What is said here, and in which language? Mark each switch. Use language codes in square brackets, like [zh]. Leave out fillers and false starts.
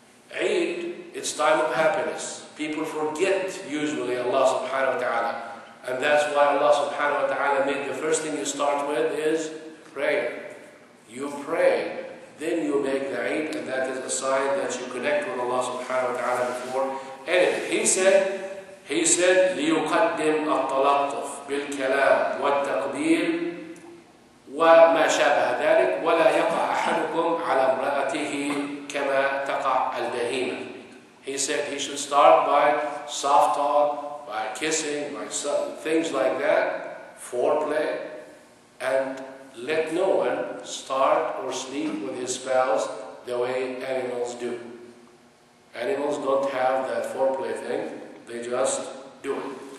[en] Eid, it's time of happiness. People forget usually Allah subhanahu wa ta'ala. And that's why Allah subhanahu wa ta'ala made the first thing you start with is prayer. You pray, then you make the eid, and that is a sign that you connect with Allah subhanahu wa ta'ala before. [ar] And he said, لِيُقَدِّمْ أَطَّلَقْتُفْ بِالْكَلَامِ وَالتَّقْبِيلِ وَمَا شَابَهَ ذَلِكَ وَلَا يَقَعْ أَحَدُكُمْ عَلَى امْرَأَتِهِ كَمَا تَقَعْ الْبَهِيمَةِ. [en] He said he should start by soft talk, by kissing, by some things like that, foreplay, and let no one start or sleep with his spouse the way animals do. Animals don't have that foreplay thing, they just do it.